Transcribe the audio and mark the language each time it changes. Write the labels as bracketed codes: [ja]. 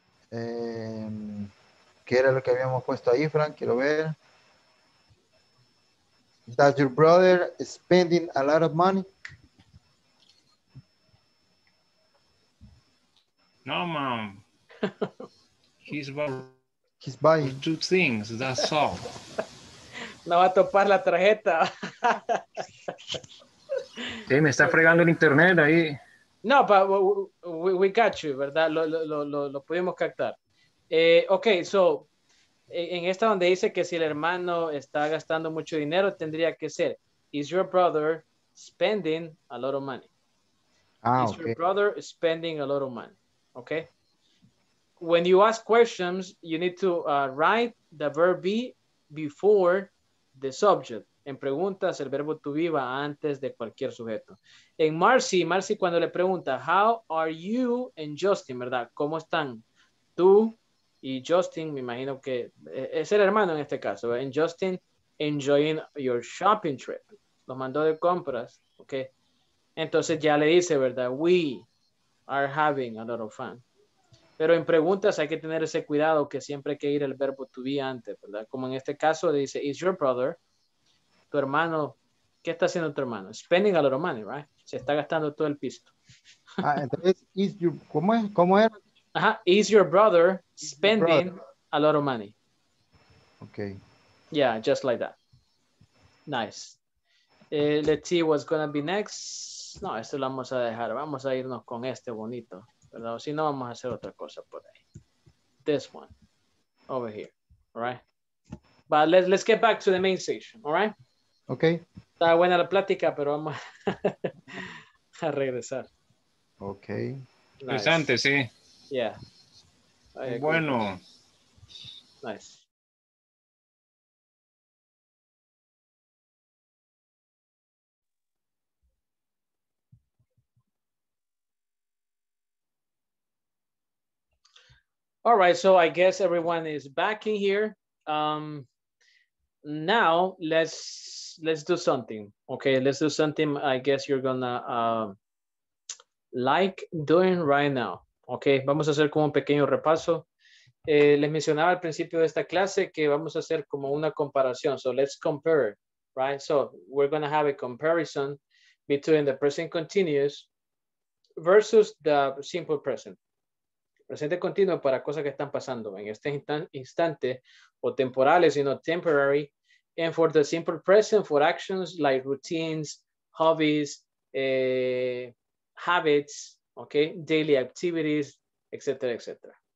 [es] ¿Qué era lo que habíamos puesto ahí, Frank? Quiero ver. [en] Does your brother spending a lot of money? No, mom. He's buying two things, that's all. [es] No va a topar la tarjeta. Sí, me está fregando el internet ahí. [en] No, but we got you, [es] ¿verdad? Lo pudimos captar. Okay, so... En esta donde dice que si el hermano está gastando mucho dinero, tendría que ser, [en] is your brother spending a lot of money. Ah, is okay. Your brother spending a lot of money? Okay. When you ask questions, you need to write the verb be before the subject. [es] En preguntas, el verbo to be va antes de cualquier sujeto. En Marcy, Marcy cuando le pregunta, [en] how are you and Justin, [es] ¿verdad? ¿Cómo están tú y Justin? Me imagino que es el hermano en este caso. [en] And Justin, enjoying your shopping trip. [es] Lo mandó de compras, ¿ok? Entonces ya le dice, ¿verdad? [en] We are having a lot of fun. [es] Pero en preguntas hay que tener ese cuidado que siempre hay que ir el verbo to be antes, ¿verdad? Como en este caso dice, [en] is your brother, [es] tu hermano, ¿qué está haciendo tu hermano? [en] Spending a lot of money, right? [es] Se está gastando todo el pisto. Ah, entonces, [en] is your, [es] ¿cómo es? ¿Cómo era? [en] Ajá, is your brother spending a lot of money? Okay. Yeah, just like that. Nice. Let's see what's going to be next. [es] No, esto lo vamos a dejar. Vamos a irnos con este bonito. ¿Verdad? Si no, vamos a hacer otra cosa por ahí. [en] This one. Over here. All right. But let's get back to the main session. All right. Okay. [es] Está buena la plática, pero vamos a regresar. [en] Okay. [es] Nice. Interesante, sí. [en] Yeah. [es] Bueno. [en] Nice. All right, so I guess everyone is back in here. Now let's do something. Okay, let's do something I guess you're gonna like doing right now. [es] Okay, vamos a hacer como un pequeño repaso. Les mencionaba al principio de esta clase que vamos a hacer como una comparación. [en] So let's compare, right? So we're gonna have a comparison between the present continuous versus the simple present. [es] Presente continuo para cosas que están pasando en este instante o temporales, sino temporary. [en] And for the simple present, for actions like routines, hobbies, habits, okay, daily activities, etc., etc.